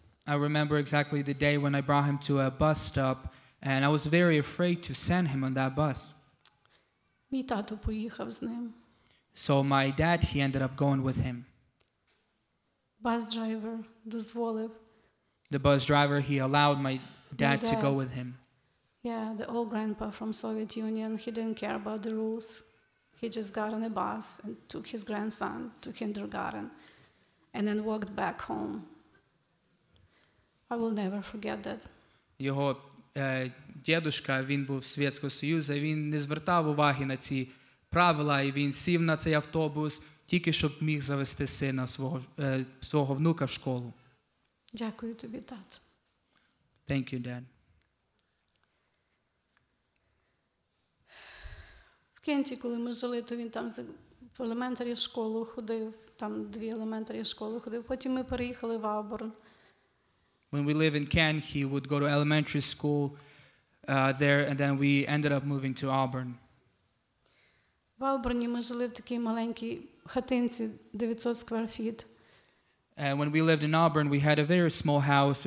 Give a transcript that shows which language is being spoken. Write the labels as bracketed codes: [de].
[en] I remember exactly the day when I brought him to a bus stop, and I was very afraid to send him on that bus. [uk] Мій тато поїхав з ним. [en] So my dad, he ended up going with him. Bus driver [uk] дозволив. [en] The bus driver, he allowed my dad to go with him. Yeah, the old grandpa from Soviet Union, he didn't care about the rules. He just got on a bus and took his grandson to kindergarten and then walked back home. I will never forget that. [uk] Його дідусь, він був з Совєтського Союзу, він не звертав уваги на ці правила, і він сів на цей автобус тільки щоб міг завести сина свого внука в школу. Дякую тобі, тато. [en] Thank you, Dad. [uk] В Кенті, коли ми жили, то він там в елементарі школу ходив, там дві елементарі школи ходив. Потім ми переїхали в Auburn. [en] When we live in Kent, he would go to elementary school there, and then we ended up moving to Auburn. [uk] В Auburnі ми жили в такій маленькій хатинці, [en] 900 square feet. And when we lived in Auburn, we had a very small house.